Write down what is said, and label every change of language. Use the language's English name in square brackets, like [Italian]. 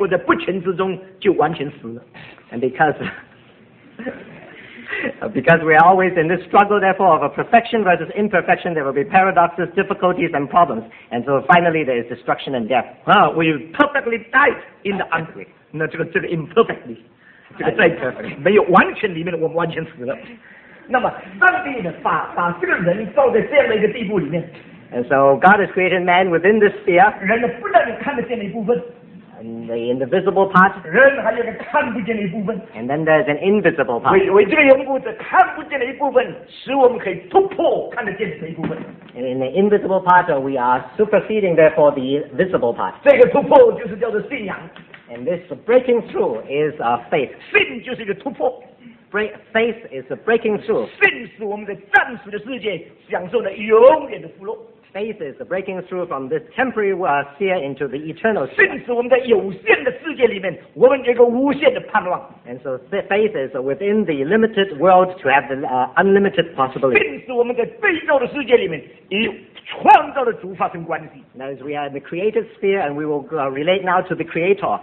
[Chinese] 所以我们在这个不全、力全、全力不全的中间挣扎、困难、矛盾、冲突，这个挣扎过了几十年的生活，结果在不全之中就完全死了。 [English] And because we are always in this struggle, therefore, of a perfection versus imperfection, there will be paradoxes, difficulties, and problems, and so finally there is destruction and death. Ah, we perfectly died in the unclean. [Chinese] 那这个 imperfectly, 这个在没有完全里面的我们完全死了。那么上帝呢，把这个人造在这样的一个地步里面。 [English] And so God has created man within this sphere. [Chinese] 人呢，不但你看得见的一部分。 [English] The invisible part. [Chinese] 人还有个看不见的一部分. [English] And then there's an invisible part. [Chinese] 为这个缘故，这看不见的一部分，使我们可以突破看得见的一部分. [English] And in the invisible part, we are superseding therefore the visible part. [Chinese] 这个突破就是叫做信仰. [English] And this breaking through is our faith. [Chinese] 信就是一个突破. [English] Faith is a breaking through. [Chinese] 信使我们在暂时的世界享受了永远的福乐. [English] faith is the breaking through from this temporary sphere into the eternal sphere. And so faith is within the limited world to have the unlimited possibilities. That is, we are in the created sphere and we will relate now to the Creator.